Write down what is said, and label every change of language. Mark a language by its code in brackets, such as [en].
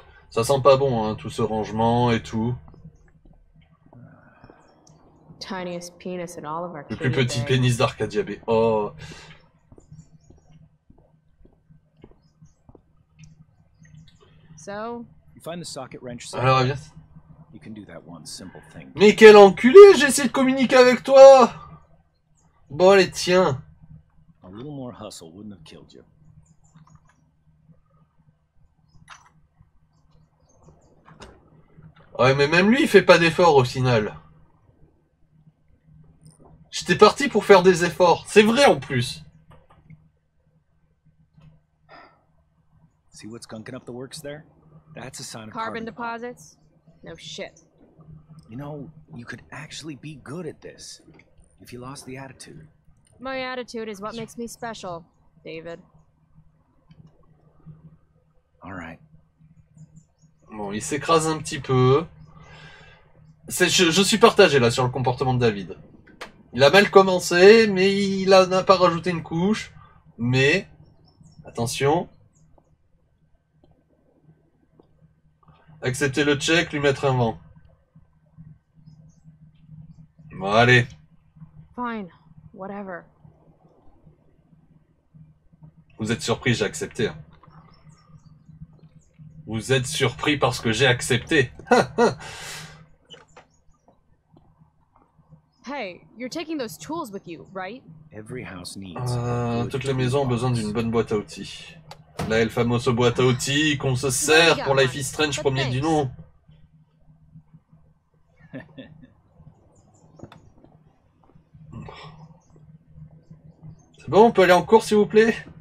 [fr] Ça sent pas bon, hein, tout ce rangement et tout. [en] Tiniest penis in all of our [fr] le plus petit bay. Pénis d'Arcadia Bay. Oh. [en] So, you find the socket wrench, [fr] so alors, bien. [en] You can do that one simple thing. [fr] Mais quel enculé, j'ai essayé de communiquer avec toi! Bon, allez, tiens. [en] A little more hustle wouldn't have killed you. [fr] Ouais, mais même lui, il fait pas d'efforts au final. J'étais parti pour faire des efforts. C'est vrai en plus. [en] See what's gunking up the works there? That's a sign of carbon deposits. No shit. You know, you could actually be good at this if you lost the attitude. My attitude is what makes me special, David. All right. [fr] Bon, il s'écrase un petit peu. Je suis partagé là sur le comportement de David. Il a mal commencé, mais il n'a pas rajouté une couche. Mais attention. Accepter le check, lui mettre un vent. Bon, allez. [en] Fine, whatever. [fr] Vous êtes surpris, j'ai accepté. Vous êtes surpris parce que j'ai accepté. [en] Hey, you're taking those tools with you, right? Every house needs. [fr] Toutes les maisons ont besoin d'une bonne boîte à outils. La El Famoso boîte à outils qu'on se sert pour Life is Strange, premier du nom. C'est bon, on peut aller en cours, s'il vous plaît?